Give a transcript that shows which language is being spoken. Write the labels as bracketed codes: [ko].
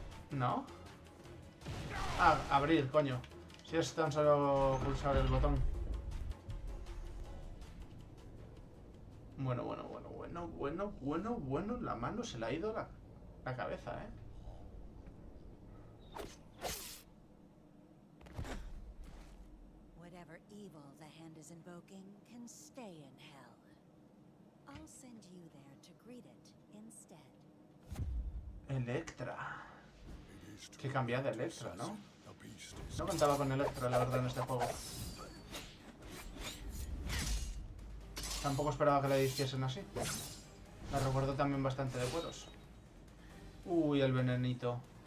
[es] ¿No? Ah, abrir, coño. Si es tan solo pulsar el botón. Bueno, bueno, bueno, bueno, bueno, bueno, bueno. La mano se le ha ido la cabeza, ¿eh? [en] Whatever evil the hand is invoking can stay in hell. I'll send you there to greet it instead. [es] Electra. Que cambia de Electra, ¿no? No contaba con Electra, la verdad, en este juego. Tampoco esperaba que le hiciesen así. La recuerdo también bastante de cueros. Uy, el venenito.